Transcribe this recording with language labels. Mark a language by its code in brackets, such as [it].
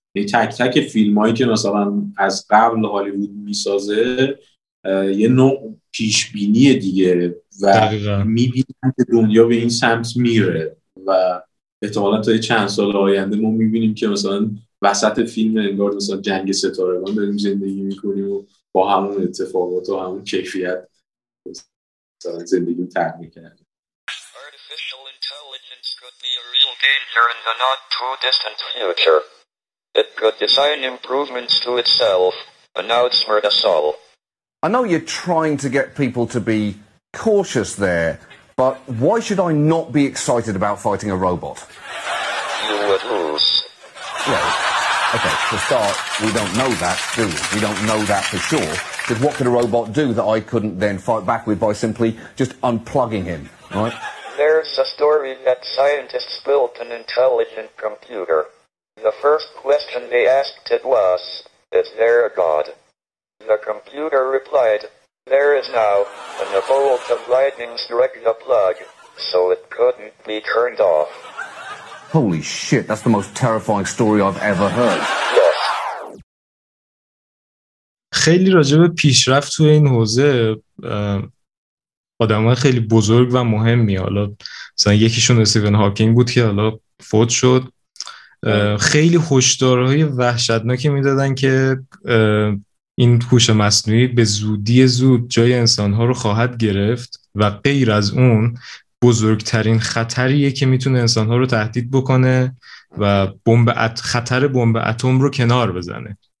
[fa] یه تک تک فیلم هایی که مثلا از قبل هالیوود میسازه یه نوع پیشبینی دیگه و میبینن که دنیا به این سمت میره و احتمالا تا یه چند سال آینده ما میبینیم که مثلا وسط فیلم انگار مثلا جنگ ستارگان داریم زندگی میکنیم و با همون اتفاقات و همون کیفیت مثلا زندگی رو تغییر میکنه. [en] Artificial intelligence could be a real danger in the not too distant future. It could design improvements to itself and outsmart us all. I know you're trying to get people to be cautious there. But why should I not be excited about fighting a robot? You would lose. Well, okay, for start, we don't know that, do we? We don't know that for sure. Because what could a robot do that I couldn't then fight back with by simply just unplugging him, right? There's a story that scientists built an intelligent computer. The first question they asked it was, is there a god? The computer replied, there is now, and a bolt of lightning struck the plug, so it couldn't be turned off. Holy shit, that's the most terrifying story I've ever heard. Yes. [fa] خیلی راجع به پیشرفت توی این حوزه آدم‌های خیلی بزرگ و مهمی، حالا مثلا یکیشون استیون هاکینگ بود که حالا فوت شد، خیلی هشدارهای وحشتناکی میدادن که این هوش مصنوعی به زودی زود جای انسان‌ها رو خواهد گرفت و غیر از اون بزرگترین خطریه که میتونه انسان‌ها رو تهدید بکنه و خطر بمب اتم رو کنار بزنه.